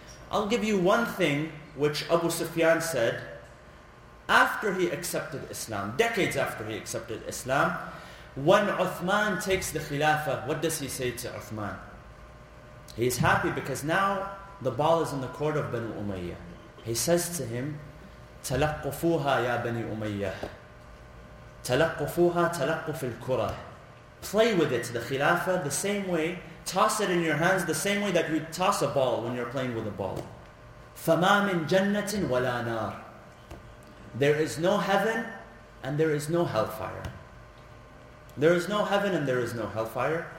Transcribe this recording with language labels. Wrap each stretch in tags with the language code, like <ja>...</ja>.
<en>I'll give you one thing which Abu Sufyan said after he accepted Islam, decades after he accepted Islam. When Uthman takes the Khilafah, what does he say to Uthman? He's happy because now the ball is in the court of Banu Umayyah. He says to him,</en> <ar>تَلَقُّفُوهَا يَا بَنِي أُمَيَّةِ تَلَقُّفُوهَا تَلَقُّفِ الْكُرَةِ.</ar> <en>Play with it, the Khilafah, the same way, toss it in your hands, the same way that you toss a ball when you're playing with a ball.</en> <ar>فَمَا مِن جَنَّةٍ وَلَا نَارٍ.</ar> <en>There is no heaven and there is no hellfire. There is no heaven and there is no hellfire.</en>